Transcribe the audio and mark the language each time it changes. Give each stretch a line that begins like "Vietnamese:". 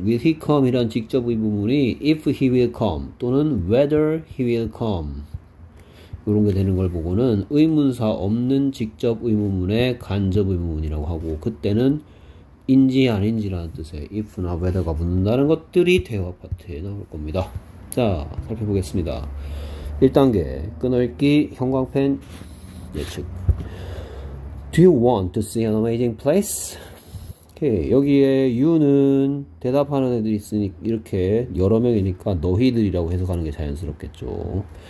English: Will he come?
Korean: 이란 직접 의문문이
English: if he will come
Korean: 또는
English: whether he will come
Korean: 요런 게 되는 걸 보고는 의문사 없는 직접 의문문에 간접 의문문이라고 하고 그때는 인지 아닌지라는 뜻의 if나 whether가 붙는다는 것들이 대화 파트에 나올 겁니다. 자, 살펴보겠습니다. 1단계 끊어읽기 형광펜 예측.
English: Do you want to see an amazing place?
Korean: 여기에 you는 대답하는 애들이 있으니 이렇게 여러 명이니까 너희들이라고 해석하는 게 자연스럽겠죠.